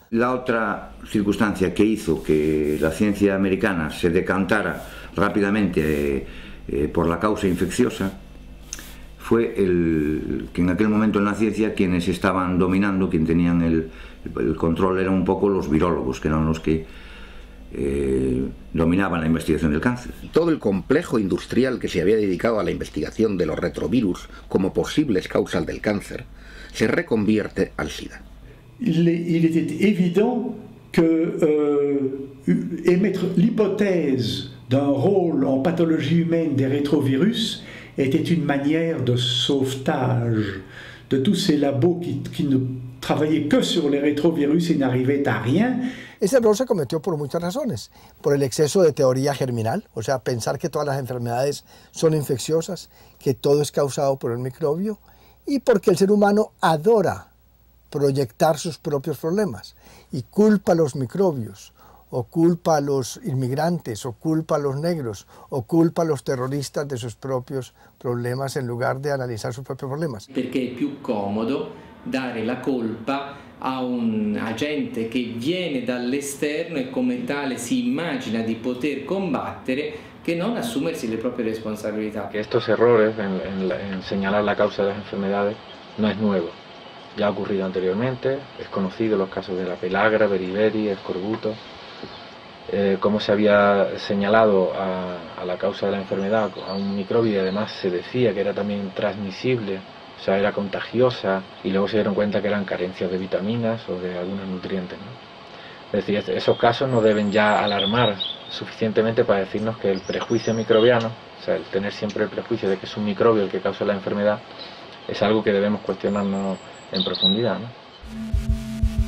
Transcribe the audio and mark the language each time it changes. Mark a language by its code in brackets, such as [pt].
[es] La otra circunstancia que hizo que la ciencia americana se decantara rápidamente por la causa infecciosa fue el que en aquel momento en la ciencia quienes estaban dominando, quien tenían el control, eran un poco los virólogos, que eran los que dominaban la investigación del cáncer. Todo el complejo industrial que se había dedicado a la investigación de los retrovirus como posibles causas del cáncer se reconvierte al SIDA. [fr] Il était évident que émettre l'hypothèse d'un rôle en pathologie humaine des rétrovirus était une manière de sauvetage de tous ces labos qui ne travaillaient que sur les rétrovirus et n'arrivaient à rien. [es] Ese error se cometió por muchas razones, por el exceso de teoría germinal, o sea, pensar que todas las enfermedades son infecciosas, que todo es causado por el microbio, y porque el ser humano adora proyectar sus propios problemas y culpa a los microbios o culpa a los inmigrantes, o culpa a los negros, o culpa a los terroristas de sus propios problemas en lugar de analizar sus propios problemas. Porque es más cómodo dar la culpa a un agente que viene [it] dall'esterno e come tale si immagina di poter combattere che non assumersi le proprie responsabilità. [es] Estos errores en señalar la causa de las enfermedades no es nuevo. Ya ha ocurrido anteriormente, es conocido los casos de la pelagra, beriberi, escorbuto. Como se había señalado a la causa de la enfermedad, a un microbio, y además se decía que era también transmisible, o sea, era contagiosa, y luego se dieron cuenta que eran carencias de vitaminas o de algunos nutrientes, ¿no? Es decir, esos casos no deben ya alarmar suficientemente para decirnos que el prejuicio microbiano, o sea, el tener siempre el prejuicio de que es un microbio el que causa la enfermedad, es algo que debemos cuestionarnos en profundidad, ¿no?